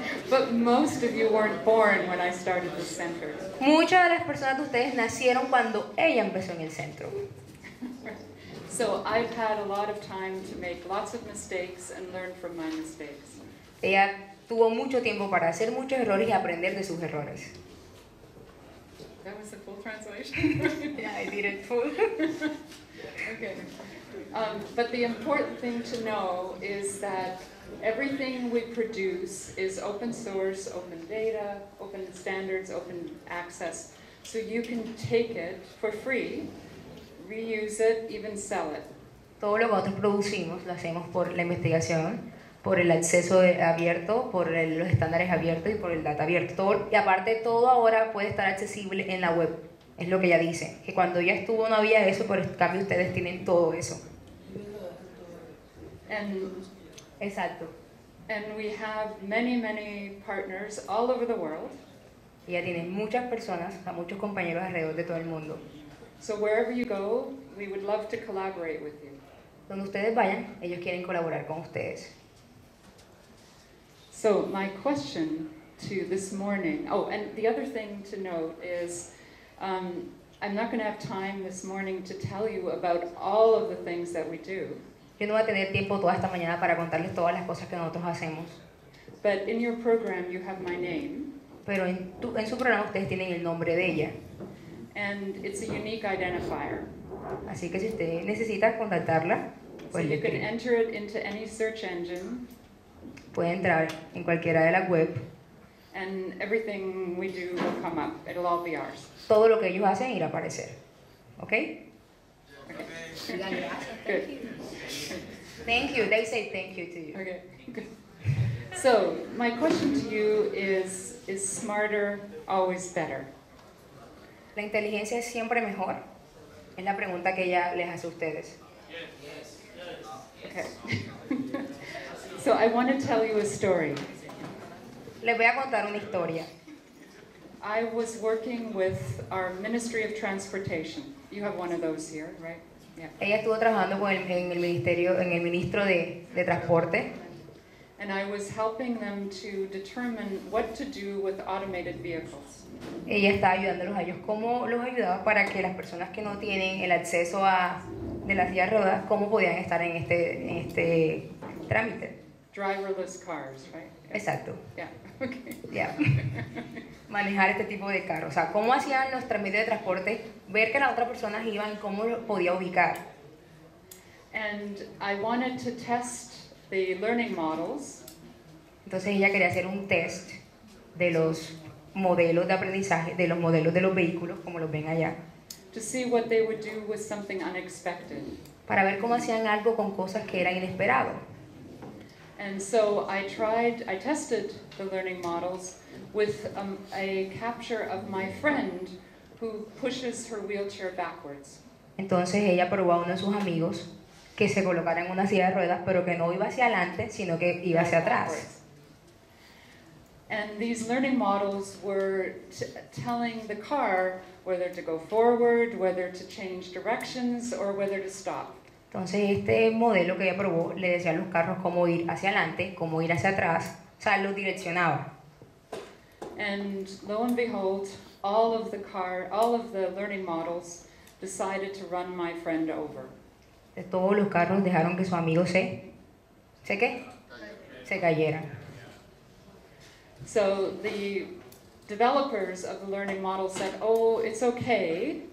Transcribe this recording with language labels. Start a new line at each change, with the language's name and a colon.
English: But most of you weren't born when I started the center.
Spanish: Muchas de las personas de ustedes nacieron cuando ella empezó en el centro.
English: So I've had a lot of time to make lots of mistakes and learn from my mistakes.
Spanish: Ella tuvo mucho tiempo para hacer muchos errores y aprender de sus errores.
English: That was the full translation. Yeah, I did it full. Okay. But the important thing to know is that everything we produce is open source, open data, open standards, open access. So you can take it for free, reuse it, even sell it.
Spanish: Todo lo que nosotros producimos lo hacemos por la investigación, por el acceso abierto, por los estándares abiertos y por el data abierto. Todo, y aparte, todo ahora puede estar accesible en la web. Es lo que ella dice. Que cuando ella estuvo no había eso, pero en cambio ustedes tienen todo eso. Exacto.
English: And we have many, many partners all over the world.
Spanish: Ella tiene muchas personas, a muchos compañeros alrededor de todo el mundo.
English: So wherever you go, we would love to collaborate with you.
Spanish: Donde ustedes vayan, ellos quieren colaborar con ustedes.
English: So my question to this morning, oh, and the other thing to note is, I'm not going to have time this morning to tell you about all of the things that we do.
Spanish: Yo no voy a tener tiempo toda esta mañana para contarles todas las cosas que nosotros hacemos.
English: But in your program you have my name.
Spanish: Pero en su programa ustedes tienen el nombre de ella.
English: And it's a unique identifier.
Spanish: Así que si usted necesita contactarla, pues
English: so you can enter it into any search engine.
Spanish: Puede entrar en cualquiera de las web.
English: And everything we do will come up. It'll all be ours.
Spanish: Todo lo que ellos hacen irá a aparecer.
English: ¿Okay? Okay. Thank you. They say thank you to you. Okay. Good. So, my question to you is smarter always better?
Spanish: La inteligencia es siempre mejor. Es la pregunta que ella les hace a ustedes.
English: Yes. Okay. So, I want to tell you a story.
Spanish: Les voy a contar una historia.
English: I was working with our Ministry of Transportation. You have one of those here, right? Yeah.
Spanish: Ella estuvo trabajando con el ministro de transporte.
English: And I was helping them to determine what to do with automated vehicles.
Spanish: Ella estaba ayudándolos a ellos cómo los ayudaba para que las personas que no tienen el acceso a de las sillas de ruedas cómo podían estar en este trámite.
English: Driverless cars, right?
Spanish: Exacto. Yeah. Okay. Yeah. Manejar este tipo de carro. O sea, ¿cómo hacían los trámites de transporte? Ver que las otras personas iban y cómo lo podía ubicar.
English: And I wanted to test the learning models.
Spanish: Entonces ella quería hacer un test de los modelos de aprendizaje, de los modelos de los vehículos, como los ven allá.
English: To see what they would do with something unexpected.
Spanish: Para ver cómo hacían algo con cosas que eran inesperadas.
English: And so I tested the learning models with a capture of my friend who pushes her wheelchair backwards.
Spanish: Entonces ella probó a uno de sus amigos que se colocara en una silla de ruedas, pero que no iba hacia adelante, sino que iba hacia atrás.
English: And these learning models were telling the car whether to go forward, whether to change directions, or whether to stop.
Spanish: Entonces este modelo que ella probó le decía a los carros cómo ir hacia adelante, cómo ir hacia atrás, o sea, los direccionaba.
English: And lo and behold, all of the learning models decided to run my friend over.
Spanish: De todos los carros dejaron que su amigo se cayera.
English: So the developers of the learning model said, "Oh, it's okay.